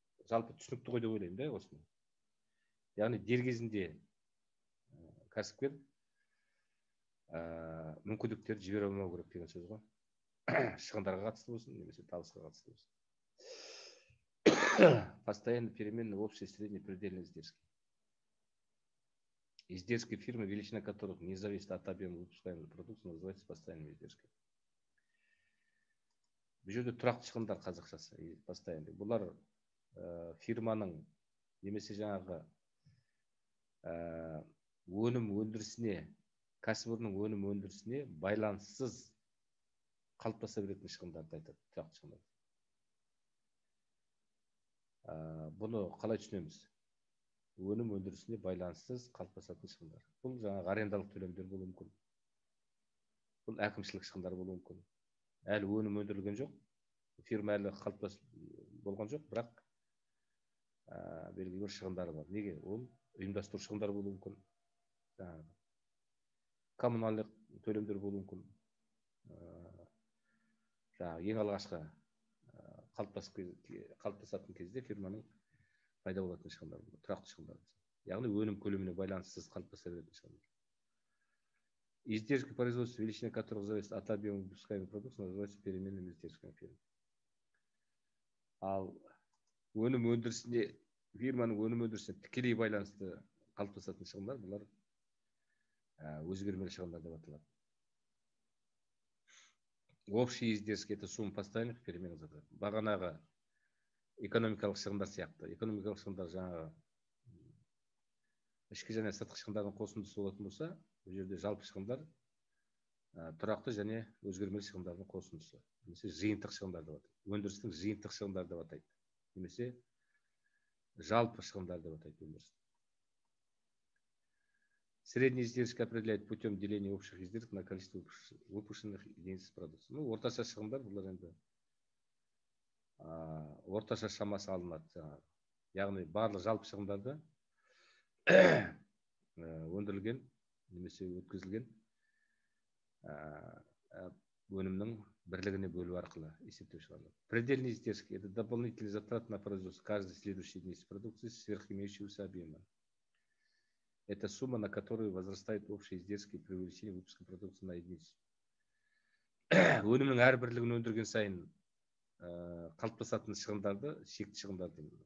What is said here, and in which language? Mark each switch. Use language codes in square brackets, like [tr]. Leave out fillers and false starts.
[kk] Жалпы түсінікті ғой деп ойлаймын да осыны. Яғни дер кезінде кәсіпкер мүмкіндіктерді жібере алмау керек деген сөз ғой. Шығындарға қатысты болсын немесе табысқа қатысты болсын. [ru] постоянно переменные общие средние предельные издержки. Издержки фирмы, величина которых не зависит от объема выпускаемой продукции, называется постоянными издержками. [kk] Бюджеты тұрақты шығындар қазақшасы постоянные. Бұлар фирманың немесе жаңағы өнім өндірісіне, кәсіпорынның өнім өндірісіне байланыссыз қалыптаса беретін шығындарды айтады тұрақты шығындар. Бұны қалай түсінеміз? Өнім өндірісіне байланыссыз қалыптасатын шығындар. Бұл жаңағы арендалық төлемдер болуы мүмкін. Бұл әкімшілік шығындар болуы мүмкін. Әлі өнім өндірілген жоқ, фирма әлі қалыптасып болған жоқ, бірақ белгілі бір шығындары бар. Неге? Ол ұйымдастыру шығындары болуы мүмкін. Коммуналдық төлемдер болуы мүмкін. Ең алғашқы қалыптасатын кезде фирманың пайда болатын шығындар, тұрақты шығындар. Яғни өнім көлеміне байланыссыз қалыптаса беретін шығындар. [ru] Издержки производства, величина которых зависит от объема выпускаемой продукции, называются переменными издержками фирмы. [kk] А өнім өндірісіне, фирманың өнім өндірісіне тікелей байланысты қалыптасатын шығындар, бұлар өзгермелі шығындар деп аталады. [ru] Общие издержки — это сумма постоянных переменных затрат. [kk] Бағанағы экономикалық шығындар сияқты. Экономикалық шығындар жаңағы ішкі және сыртқы шығындардың қосындысы болатын болса, бұл жерде жалпы шығындар тұрақты және өзгермелі шығындардың қосындысы. Немесе жиынтық шығындар деп атайды. Өндірістің жиынтық шығындары деп атайды. Немесе жалпы шығындар деп атайды өндірістің. [ru] Средние издержки определяют путем деления общих издержек на количество выпущенных единиц продукции. [kk] Ну, орташа шығындар, бұл енді орташа шамасы алынады. Яғни барлық жалпы шығындарды өндірілген немесе өткізілген өнімнің бірлігіне бөлу арқылы есептеу шығады. [ru] Предельные издержки — это дополнительные затраты на производство каждой следующей единицы продукции сверх имеющегося объема. Это сумма, на которую возрастает общие издержки при увеличении выпуска продукции на единицу. [kk] Өнімнің әрбірлігін өндірген сайын қалыптасатын шығындарды, шекті шығындарды.